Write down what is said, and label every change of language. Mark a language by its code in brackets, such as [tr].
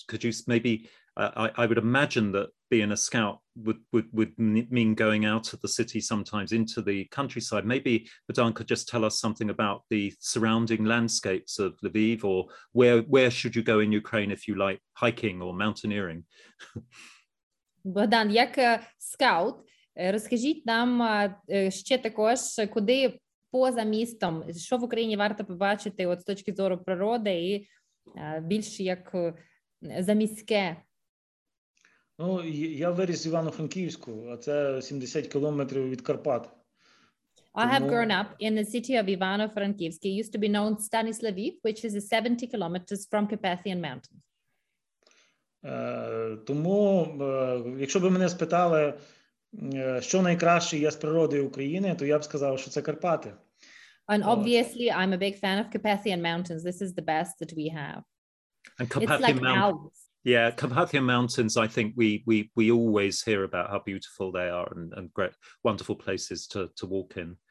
[en] Could you maybe, I would imagine that being a scout would mean going out of the city sometimes into the countryside. Maybe Bohdan could just tell us something about the surrounding landscapes of Lviv, or where should you go in Ukraine if you like hiking or mountaineering? [uk] Богдан, як скаут, розкажіть нам ще також, куди поза містом, що в Україні варто побачити от з точки зору природи і більше як заміське? Ну, я виріс в Івано-Франківську, а це 70 кілометрів від Карпат. [en] I have grown up in the city of Ivano-Frankivsk. It used to be known Stanislaviv, which is 70 kilometers from Carpathian Mountains. [uk] Тому, якщо б мене спитали, що найкраще є з природи України, то я б сказав, що це Карпати. [en] And obviously, I'm a big fan of Carpathian Mountains. This is the best that we have. And Carpathian Mountains. Yeah, Carpathian Mountains, I think we always hear about how beautiful they are and great, wonderful places to walk in.